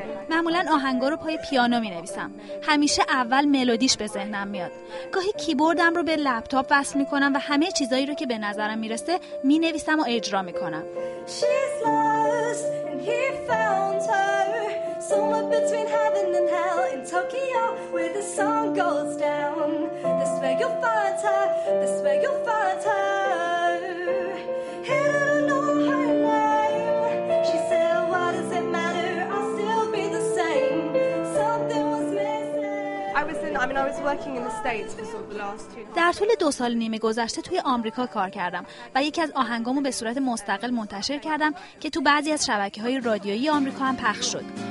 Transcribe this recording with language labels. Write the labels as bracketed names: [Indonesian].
[Persian] معمولا آهنگا رو پای پیانو مینویسم. همیشه اول ملودیش به ذهنم میاد. گاهی کیبوردم رو به لپتاپ وصل میکنم و همه چیزایی رو که به نظرم میرسه مینویسم و اجرا میکنم. [English] She's lost and he found her. Somewhere between heaven and hell in Tokyo where the sun goes down. This way you'll find her, this way you'll find her. He didn't know her name. She said, why does it matter? I'll still be the same. Something was missing. I was working in the States for sort of the last two. [Persian] در طول دو سال نیمه گذشته توی آمریکا کار کردم و یکی از آهنگامو به صورت مستقل منتشر کردم که تو بعضی از شبکه‌های رادیویی آمریکا هم پخش شد.